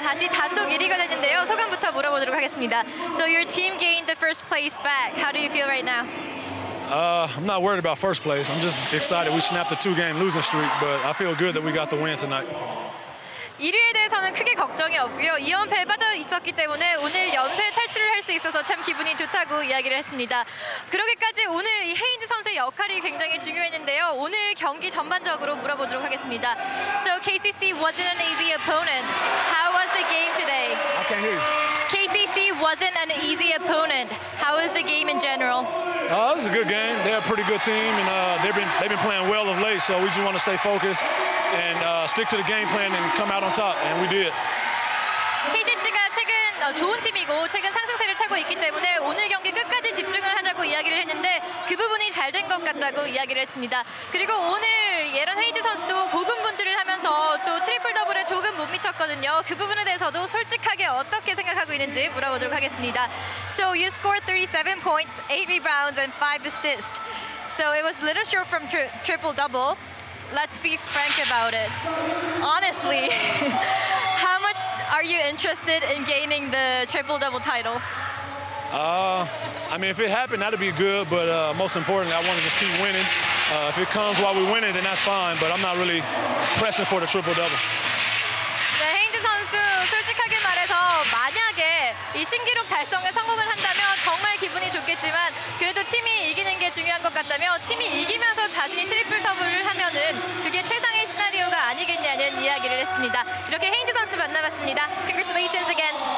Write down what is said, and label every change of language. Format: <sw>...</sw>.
<ko>다시 단독 1위가 됐는데요. 소감부터 물어보도록 하겠습니다.</ko> <en>So your team gained the first place back. How do you feel right now? I'm not worried about first place. I'm just excited we snapped the two-game losing streak, but I feel good that we got the win tonight.</en> <ko>1위에 대해서는 크게 걱정이 없고요. 2연패에 빠져 있었기 때문에 오늘 연패 탈출을 할 수 있어서 참 기분이 좋다고 이야기를 했습니다. 그러기까지 오늘 이 헤인즈 선수의 역할이 굉장히 중요했는데요. 오늘 경기 전반적으로 물어보도록 하겠습니다.</ko> <en>So KCC wasn't an easy opponent. How was the game today? I can't hear you. KCC wasn't an easy opponent. How was the game in general? It was a good game. They're a pretty good team, and they've been playing well of late, so we just want to stay focused and stick to the game plan and come out on top, and we did.</en> <ko>KCC가 최근 좋은 팀이고 최근 상승세를 타고 있기 때문에 오늘 경기 끝까지 집중을 하자고 이야기를 했는데 그 부분이 잘 된 것 같다고 이야기를 했습니다. 그리고 오늘 예런 헤이즈 선수도 고군분투를 하면서 또 트리플 더블에 조금 못 미쳤거든요. 그 부분에 대해서도 솔직하게 어떻게 생각하고 있는지 물어보도록 하겠습니다.</ko> <en>So you scored 37 points, 8 rebounds and 5 assists. So it was a little short from triple double. Let's be frank about it. Honestly, how much are you interested in gaining the triple double title? I mean, if it happened, that'd be good. But most importantly, I want to just keep winning. If it comes while we're winning, then that's fine. But I'm not really pressing for the triple double.</en> <ko>네, 헤인즈 선수, 솔직하게 말해서 만약에 이 신기록 달성에 성공을 한다면 정말 기분이 좋겠지만 그래도 팀이 이기는 게 중요한 것 같다며 팀이 이기면서 자신이 트리플 더블을 하면은 그게 최상의 시나리오가 아니겠냐는 이야기를 했습니다. 이렇게 헤인즈 선수 만나봤습니다.</ko> <en>Congratulations again.</en>